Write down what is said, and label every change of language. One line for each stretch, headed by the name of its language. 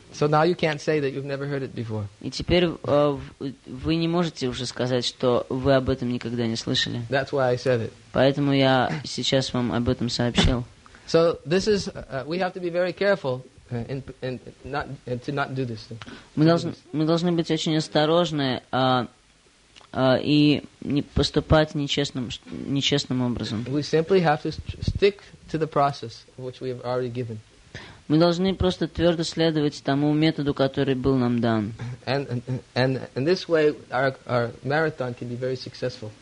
English: So now you can't say that you've never heard it before.
Russian: И теперь вы не можете уже сказать, что вы об этом никогда не слышали.
English: That's why I said it.
Russian: Поэтому я сейчас вам об этом сообщил.
English: So this is we have to be very careful. And to not do this thing.
Russian: Мы должны быть очень осторожны и не поступать нечестным образом.
English: We simply have to stick to the process which we have already given.
Russian: Мы должны просто твердо следовать тому методу, который был нам дан.
English: And this way our marathon can be very successful.